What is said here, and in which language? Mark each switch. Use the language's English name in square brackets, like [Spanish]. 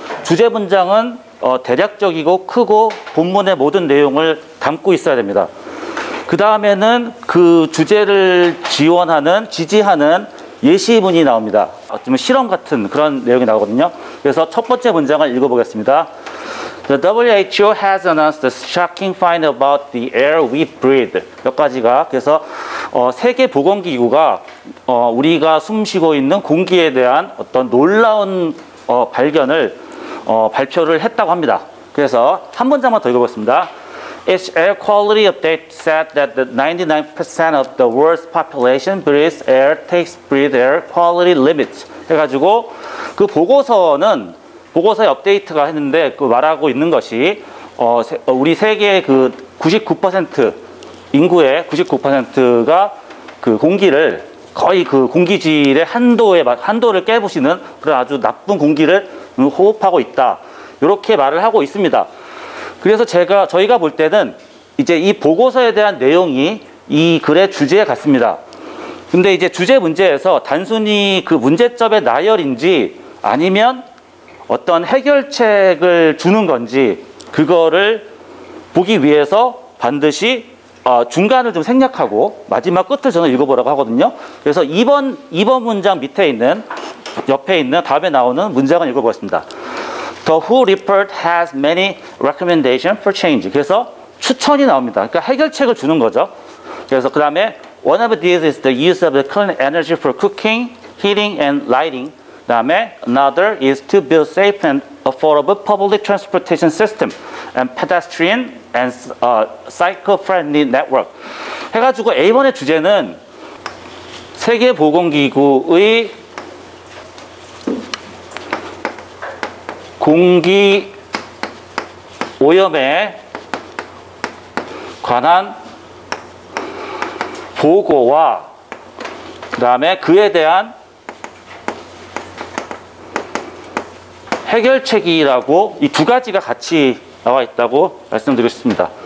[Korean] 주제 문장은 대략적이고 크고 본문의 모든 내용을 담고 있어야 됩니다. 그 다음에는 그 주제를 지지하는 예시문이 나옵니다. 좀 실험 같은 그런 내용이 나오거든요. 그래서 첫 번째 문장을 읽어보겠습니다. [English] The WHO has announced a shocking find about the air we breathe. [Korean] 몇 가지가. 그래서 세계보건기구가 우리가 숨쉬고 있는 공기에 대한 어떤 놀라운 발견을 발표를 했다고 합니다. 그래서 한 문장만 더 읽어보겠습니다. [English] Its air quality update said that the 99% of the world's population breathes air, takes breathe air quality limits. [Korean] 해가지고 그 보고서는 보고서의 업데이트가 했는데 그 말하고 있는 것이 우리 세계의 그 99% 인구의 99%가 그 공기를 거의 그 공기질의 한도를 깨부시는 그런 아주 나쁜 공기를 호흡하고 있다. 이렇게 말을 하고 있습니다. 그래서 저희가 볼 때는 이제 이 보고서에 대한 내용이 이 글의 주제에 같습니다. 근데 이제 주제 문제에서 단순히 그 문제점의 나열인지 아니면 어떤 해결책을 주는 건지 그거를 보기 위해서 반드시 중간을 좀 생략하고 마지막 끝을 저는 읽어보라고 하거든요. 그래서 2번 문장 밑에 있는 옆에 있는 다음에 나오는 문장을 읽어보겠습니다. [English] The WHO report has many recommendations for change. [Korean] 그래서 추천이 나옵니다. 그러니까 해결책을 주는 거죠. 그래서 그 다음에 [English] One of these is the use of the clean energy for cooking, heating and lighting. [Korean] 그 다음에 [English] another is to build safe and affordable public transportation system and pedestrian and cycle-friendly network. [Korean] 해가지고 A번의 주제는 세계보건기구의 공기 오염에 관한 보고와 그 다음에 그에 대한 해결책이라고 이 두 가지가 같이 나와 있다고 말씀드리겠습니다.